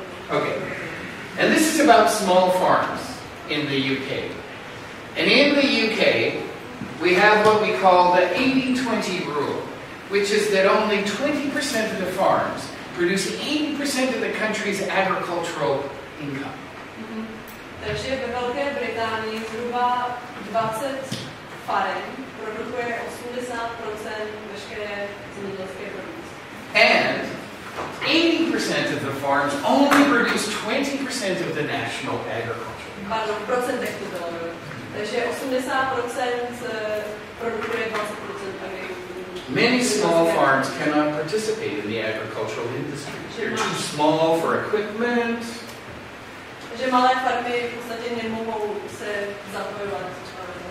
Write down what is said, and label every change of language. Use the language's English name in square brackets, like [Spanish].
[English] Okay, and this is about small farms in the UK. And in the UK, we have what we call the 80-20 rule, which is that only 20% of the farms produce 80% of the country's agricultural income. [Czech] Takže ve Velké Británii zhruba 20 farem produkuje 80% veškeré zemědělské produkce. [English] And 80% of the farms only produce 20% of the national agriculture. [Czech] Pardon, procentech to bylo. Takže 80% produkuje 20% agrikultury. [English] Many small farms cannot participate in the agricultural industry. They're too small for equipment. [Czech] Že malé farmy v podstatě nemohou se zapojovat třeba.